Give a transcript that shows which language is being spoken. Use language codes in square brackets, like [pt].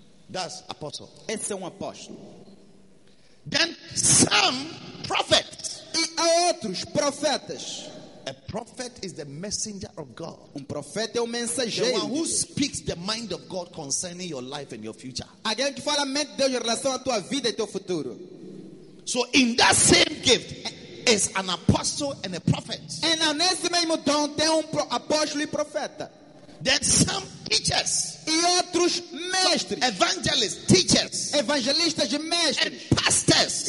[en] That's apostle. [pt] Esse é um apóstolo. [en] Then some prophets. [pt] E há outros profetas. [en] A prophet is the messenger of God. [pt] Um profeta é o mensageiro. [en] The one who speaks the mind of God concerning your life and your future. [pt] Alguém que fala a mente de Deus em relação à tua vida e teu futuro. [en] So in that same gift is an apostle and a prophet. And now [pt] nesse mesmo dom tem um apóstolo e profeta. [en] Then some teachers. [pt] E outros mestres. [en] Evangelists, teachers. [pt] Evangelistas e mestres. [en] And pastors.